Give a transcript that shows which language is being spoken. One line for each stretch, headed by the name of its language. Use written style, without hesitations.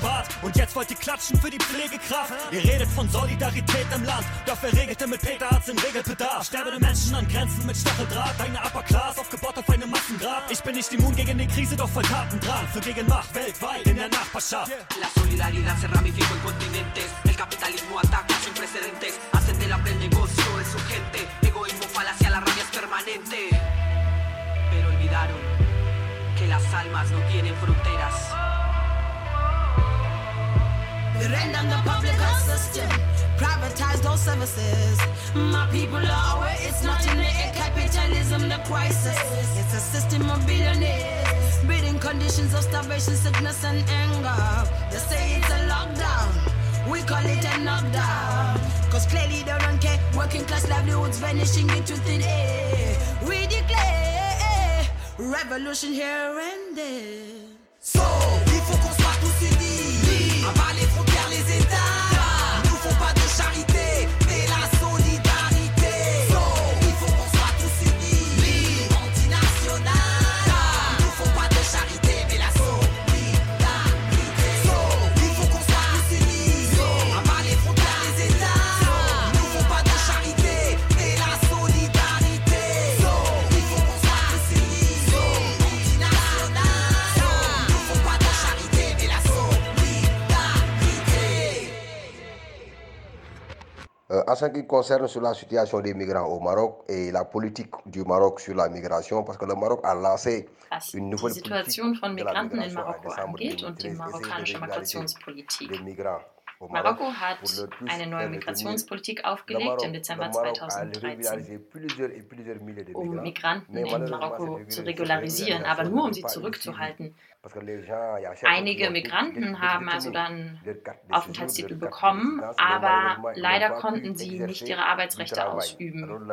German: gespart und jetzt wollt ihr klatschen für die Pflegekraft. Ihr redet von Solidarität im Land, doch wer regelt denn mit Peterarzt im Regelbedarf? Sterbende Menschen an Grenzen mit Stacheldraht, deine Upper Class aufgebaut auf einem Massengrab. Ich bin nicht immun gegen die Krise, doch voll Tatendrang für Gegenmacht weltweit in der Nachbarschaft.
Spanish: La Solidaridad se ramifica en continentes, el capitalismo ataca sin precedentes, hacen de la pre negocio es urgente, egoísmo falacia, la rabia es permanente. Pero olvidaron que las almas no tienen fronteras.
English: We ran down the public health system, privatized those services. My people are aware it's not in the capitalism, the crisis. It's a system of bitterness, breeding conditions of starvation, sickness and anger. They say it's a lockdown, we call it a knockdown. Cause clearly they don't care, working class livelihoods vanishing into thin air. We declare revolution here and there.
French: So, il faut qu'on soit tous unis. Avant les frontières, les États. Nous faut pas de charité, mais la solidarité. So, il faut qu'on soit tous unis. Antinational. Nous faut pas de charité, mais la solidarité. So, il faut qu'on soit tous unis. Avant les frontières, les États. Nous faut pas de charité, mais la solidarité. So, il faut qu'on soit tous unis. Antinational. Nous faut pas de charité, mais la solidarité. En ce qui concerne sur la situation des migrants au Maroc et la politique du Maroc sur la migration, parce que le Maroc a lancé une nouvelle politique de la migration en décembre 2013.
German: Marokko hat eine neue Migrationspolitik aufgelegt im Dezember 2013, um Migranten in Marokko zu regularisieren, aber nur um sie zurückzuhalten. Einige Migranten haben also dann Aufenthaltstitel bekommen, aber leider konnten sie nicht ihre Arbeitsrechte ausüben.